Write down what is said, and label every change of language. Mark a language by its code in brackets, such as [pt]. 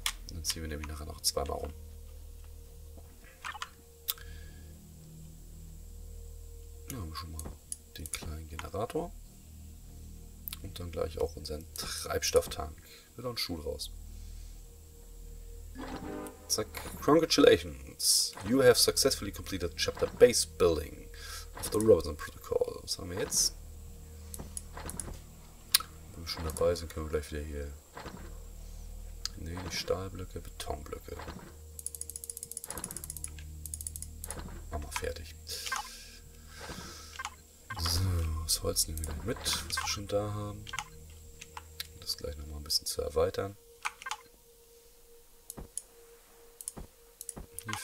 [de] Und dann ziehen wir nämlich nachher noch zweimal rum. Schon mal den kleinen Generator und dann gleich auch unseren Treibstofftank. Wird auch ein Schuh raus. [en] Zack. Congratulations! You have successfully completed Chapter Base Building of the Robinson Protocol. [de] Was haben wir jetzt? Wenn wir schon dabei sind, können wir gleich wieder hier. Ne, Stahlblöcke, Betonblöcke. Machen wir fertig. So, das Holz nehmen wir mit, was wir schon da haben. Um das gleich nochmal ein bisschen zu erweitern. Hier